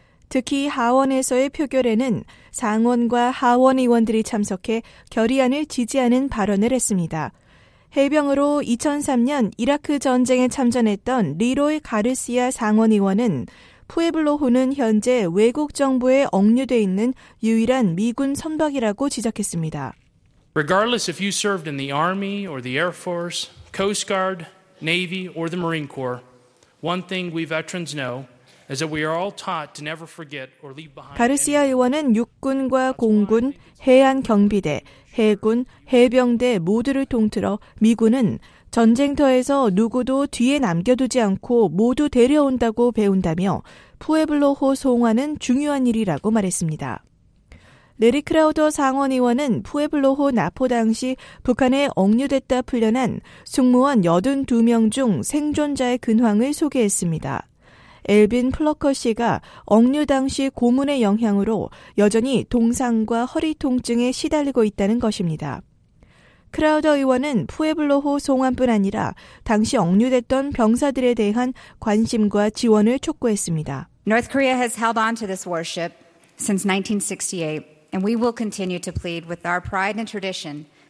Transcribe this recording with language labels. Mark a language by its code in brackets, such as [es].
[ko] 특히 하원에서의 표결에는 상원과 하원의원들이 참석해 결의안을 지지하는 발언을 했습니다. 해병으로 2003년 이라크 전쟁에 참전했던 리로이 가르시아 상원의원은 푸에블로호는 현재 외국 정부에 억류돼 있는 유일한 미군 선박이라고 지적했습니다. [en] Regardless if you served in the Army or the Air Force, Coast Guard, Navy, or the Marine Corps, one thing we veterans know is that we are all taught to never forget or leave behind. [ko] 가르시아 의원은 육군과 공군, 해안 경비대, 해군, 해병대 모두를 통틀어 미군은 전쟁터에서 누구도 뒤에 남겨두지 않고 모두 데려온다고 배운다며 푸에블로호 송환은 중요한 일이라고 말했습니다. 레리 크라우더 상원의원은 푸에블로호 나포 당시 북한에 억류됐다 풀려난 승무원 82명 중 생존자의 근황을 소개했습니다. 엘빈 플러커 씨가 억류 당시 고문의 영향으로 여전히 동상과 허리 통증에 시달리고 있다는 것입니다. 크라우더 의원은 푸에블로호 송환뿐 아니라 당시 억류됐던 병사들에 대한 관심과 지원을 촉구했습니다. [en] North Korea has held on to this warship since 1968. And we will continue to plead with our pride and tradition